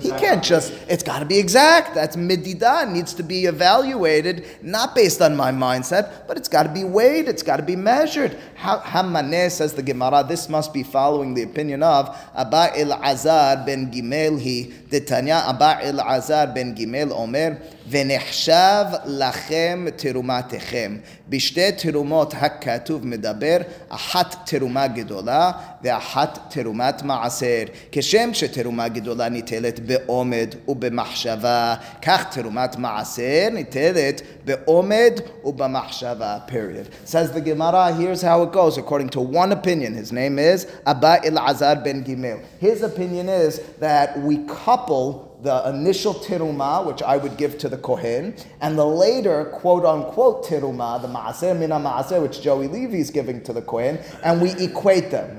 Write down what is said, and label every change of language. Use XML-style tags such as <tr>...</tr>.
<en>He can't just, it's got to be exact. That's medida, needs to be evaluated, not based on my mindset, but it's got to be weighed, it's got to be measured. Hamaneh, says the Gemara, this must be following the opinion of Abba el-Azar ben Gimel hi, detanya Abba el-Azar ben Gimel omer,</en> <he>ונחשב לכם תרומתכם. בשתי תרומות הכתוב מדבר, אחת תרומה גדולה ואחת תרומת מעשר. כשם שתרומה גדולה ניטלת בעומד ובמחשבה, כך תרומת מעשר ניטלת בעומד ובמחשבה.</he> <en>Period. Says the Gemara, here's how it goes. According to one opinion, his name is Abba el-Azar ben Gimel. His opinion is that we couple the initial terumah, which I would give to the Kohen, and the later, quote-unquote, terumah, the ma'aseh mina ma'aseh, which Joey Levy is giving to the Kohen, and we equate them.</en>